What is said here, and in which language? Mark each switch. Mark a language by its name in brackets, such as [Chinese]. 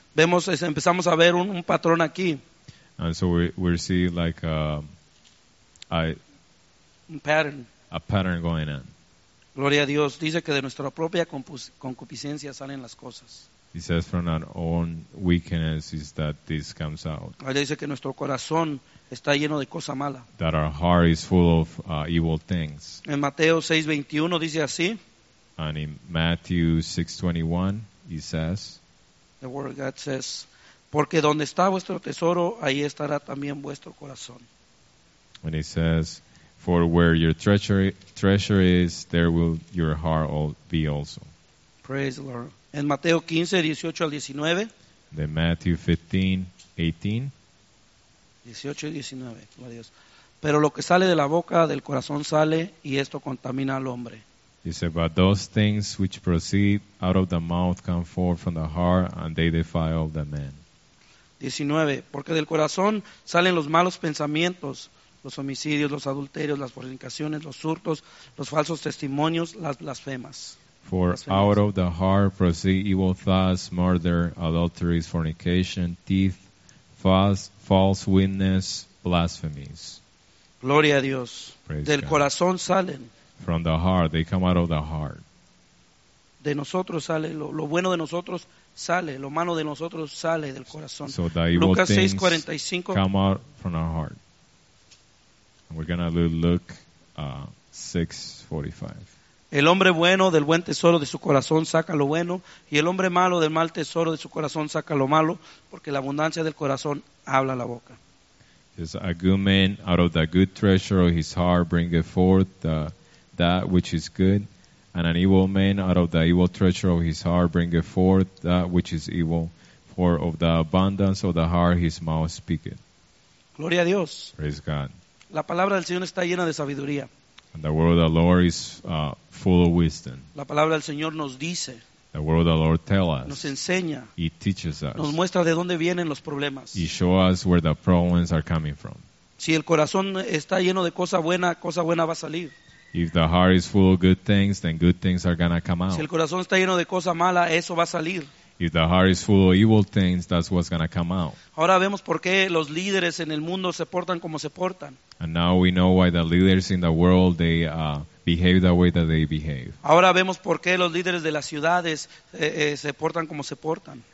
[Spanish] Vemos, empezamos a ver un patrón aquí. [English] And so we see like a pattern going on. [Spanish] Gloria a Dios. Dice que de nuestra propia concupiscencia salen las cosas. [English] He says from our own weakness is that this comes out. [Spanish] Dice que nuestro corazón está lleno de cosa mala. [English] That our heart is full of evil things. [Spanish] En Mateo 6:21 dice así. [English] And in Matthew 6:21 he says. The word of God says, [Spanish] porque donde está vuestro tesoro, ahí estará también vuestro corazón. [English] And he says, for where your treasure is, there will your heart be also. Praise the Lord. [Spanish] En Mateo 15:18-19. [English] Then Matthew 15:18. [Spanish] 18 y 19. Gloria a Dios. Pero lo que sale de la boca del corazón sale, y esto contamina al hombre. [English] He said, but those things which proceed out of the mouth come forth from the heart, and they defile the man. [Spanish] 19. Porque del corazón salen los malos pensamientos, los homicidios, los adulterios, las fornicaciones, los hurtos, los falsos testimonios, las blasfemas. [English] For out of the heart proceed evil thoughts, murder, adulteries, fornication, thief, false witness, blasphemies. [Spanish] Gloria a Dios. [English] Praise [Spanish] Del [English] God. [Spanish] Corazón salen. [English] From the heart, they come out of the heart. [Spanish] De nosotros sale, lo bueno de nosotros sale, lo malo de nosotros sale del corazón. [English] So the evil [Spanish] Lucas [English] things [Spanish] 6:45. [English] Come out from our heart. We're going to look 6:45. [Spanish] El hombre bueno del buen tesoro de su corazón saca lo bueno, y el hombre malo del mal tesoro de su corazón saca lo malo, porque la abundancia del corazón habla la boca. [English] Is a good man out of the good treasure of his heart bringeth forth that which is good, and an evil man out of the evil treasure of his heart bringeth forth that which is evil, for of the abundance of the heart his mouth speaketh. [Spanish] Gloria a Dios. [English] Praise God. [Spanish] La palabra del Señor está llena de sabiduría. [English] And the word of the Lord is full of wisdom. [Spanish] La palabra del Señor nos dice. [English] The word of the Lord tells us. [Spanish] Nos enseña. [English] He teaches us. [Spanish] Nos muestra de dónde vienen los problemas. [English] He shows us where the problems are coming from. [Spanish] Si el corazón está lleno de cosa buena va a salir. [English] If the heart is full of good things, then good things are going to come out. [Spanish] Si el corazón está lleno de cosa mala, eso va a salir. [English] If the heart is full of evil things, that's what's going to come out. [Spanish] Ahora vemos por qué los líderes en el mundo se portan como se portan. [English] And now we know why the leaders in the world, they behave the way that they behave. [Spanish] Ahora vemos por qué los líderes de las ciudades se portan como se portan.